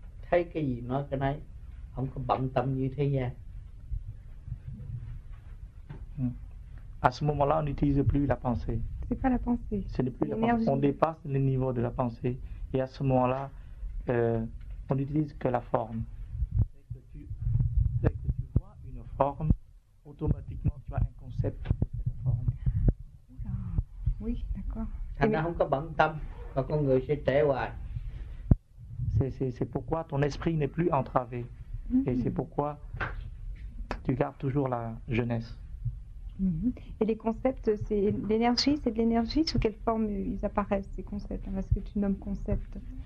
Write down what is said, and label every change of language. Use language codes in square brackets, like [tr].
[vi] cái không có bận tâm như thế gian. [fr] À ce moment-là, on n'utilise plus la pensée. C'est pas la pensée. Ce n'est plus l'énergie. La pensée. On dépasse le niveau de la pensée. Et à ce moment-là, on n'utilise que la forme. Dès que tu vois une forme, automatiquement, tu as un concept de cette forme. Oui, d'accord. [vi] Không có bận tâm, và con người sẽ trẻ hoài. [fr] C'est pourquoi ton esprit n'est plus entravé. Et c'est pourquoi tu gardes toujours la jeunesse. Et les concepts, c'est l'énergie, c'est de l'énergie. Sous quelle forme ils apparaissent, ces concepts? Est-ce que tu nommes concept?